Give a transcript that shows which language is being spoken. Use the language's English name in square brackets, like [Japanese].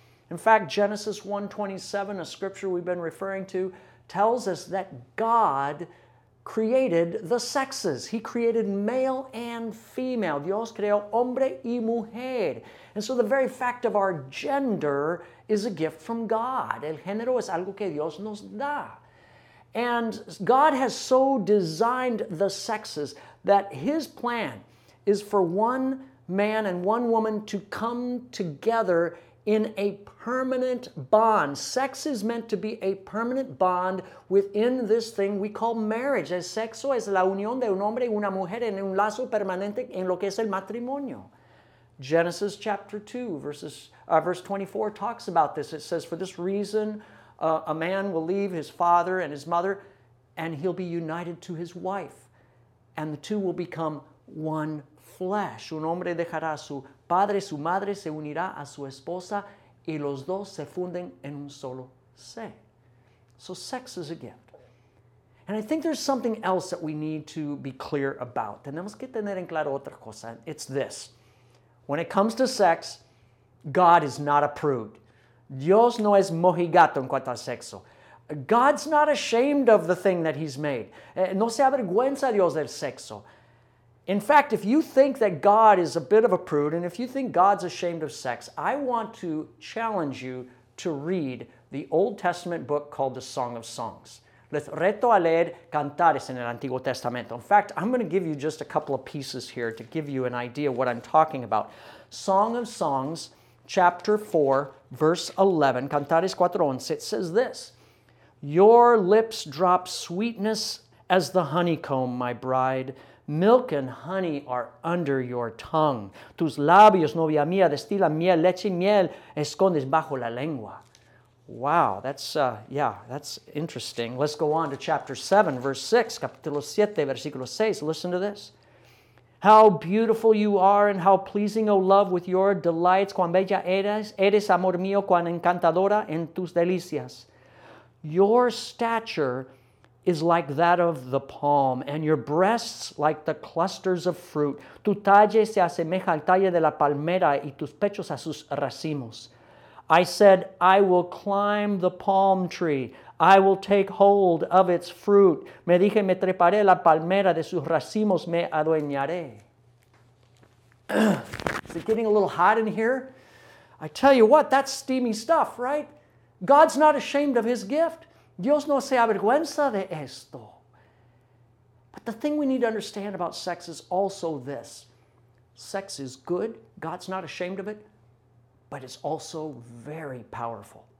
[English] In fact, Genesis 1:27, a scripture we've been referring to, tells us that God created the sexes. He created male and female. [Spanish] Dios creó hombre y mujer. [English] And so the very fact of our gender is a gift from God. [Spanish] El género es algo que Dios nos da. [English] And God has so designed the sexes that His plan is for one man and one woman to come together in a permanent bond. Sex is meant to be a permanent bond within this thing we call marriage. [Spanish] El sexo es la unión de un hombre y una mujer en un lazo permanente en lo que es el matrimonio. [English] Genesis chapter 2, verse 24 talks about this. It says, for this reason, a man will leave his father and his mother, and he'll be united to his wife, and the two will become one flesh. [Spanish] Un hombre dejará su padre, su madre se unirá a su esposa y los dos se funden en un solo ser. [English] So sex is a gift. And I think there's something else that we need to be clear about. [Spanish] Tenemos que tener en claro otra cosa. [English] It's this. When it comes to sex, God is not a prude. [Spanish] Dios no es mojigato en cuanto al sexo. [English] God's not ashamed of the thing that He's made. [Spanish] No se avergüenza Dios del sexo. [English] In fact, if you think that God is a bit of a prude, and if you think God's ashamed of sex, I want to challenge you to read the Old Testament book called the Song of Songs. [Spanish] Les reto a leer Cantares en el Antiguo Testamento. [English] In fact, I'm going to give you just a couple of pieces here to give you an idea of what I'm talking about. Song of Songs, chapter 4, verse 11, Cantares 4:11, it says this, "Your lips drop sweetness as the honeycomb, my bride. Milk and honey are under your tongue. [Spanish] Tus labios, novia mía, destilan miel, leche y miel escondes bajo la lengua." [English] Wow, that's interesting. Let's go on to chapter 7, verse 6, [Spanish] capítulo 7, versículo 6. [English] Listen to this. "How beautiful you are and how pleasing, O love, with your delights. [Spanish] Cuán bella eres, amor mío, cuán encantadora en tus delicias. [English] Your stature is like that of the palm, and your breasts like the clusters of fruit. [Spanish] Tu talle se asemeja al talle de la palmera y tus pechos a sus racimos. [English] I said, I will climb the palm tree. I will take hold of its fruit. [Spanish] Me dije, me treparé la palmera de sus racimos, me adueñaré." [English] Is it getting a little hot in here? I tell you what, that's steamy stuff, right? God's not ashamed of His gift. [Spanish] Dios no se avergüenza de esto. [English] But the thing we need to understand about sex is also this. Sex is good. God's not ashamed of it. But it's also very powerful.